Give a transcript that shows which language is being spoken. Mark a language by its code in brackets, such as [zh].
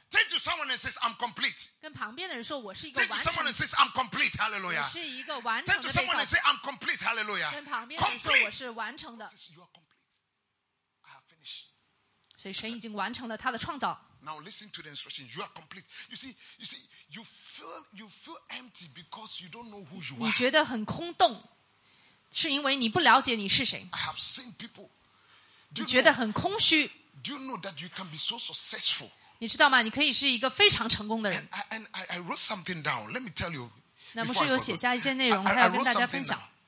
[en] Turn to someone and says, I'm complete. [zh] 跟旁边的人说，我是一个完成。 [en] Turn to someone and says, I'm complete. Hallelujah. [zh] 是一个完成的。 [en] Turn to someone and say, I'm complete. Hallelujah. [zh] 跟旁边的人说，我是完成的。 [en] You are complete. I have finished. [zh] 所以神已经完成了他的创造。 [en] Now listen to the instruction. You are complete. You feel empty because you don't know who you are. [zh] 你觉得很空洞，是因为你不了解你是谁。 [en] I have seen people. [zh] 你觉得很空虚。 [en] Do you know that you can be so successful? [zh] 你知道吗？你可以是一个非常成功的人。 [en] And I wrote something down. Let me tell you. [zh] 那牧师有写下一些内容，他要跟大家分享。